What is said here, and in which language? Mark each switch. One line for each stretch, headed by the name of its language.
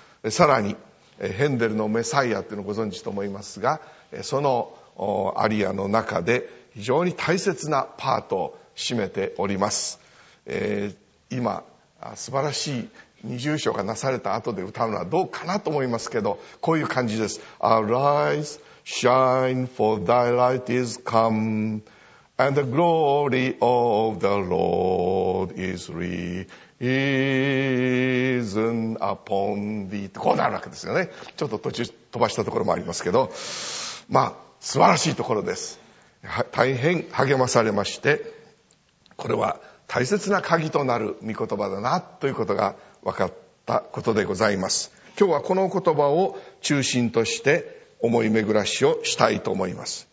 Japanese: さらにヘンデルのメサイアっていうのをご存知と思いますが、そのアリアの中で非常に大切なパートを占めております。今素晴らしい二重唱がなされた後で歌うのはどうかなと思いますけど、こういう感じです。
English: ArriseShine, for thy light is come, and the glory of the Lord is risen upon thee.
Japanese: こうなるわけですよね。ちょっと途中飛ばしたところもありますけど、まあ素晴らしいところです。大変励まされまして、これは大切な鍵となる御言葉だなということが分かったことでございます。今日はこの言葉を中心として思い巡らしをしたいと思います。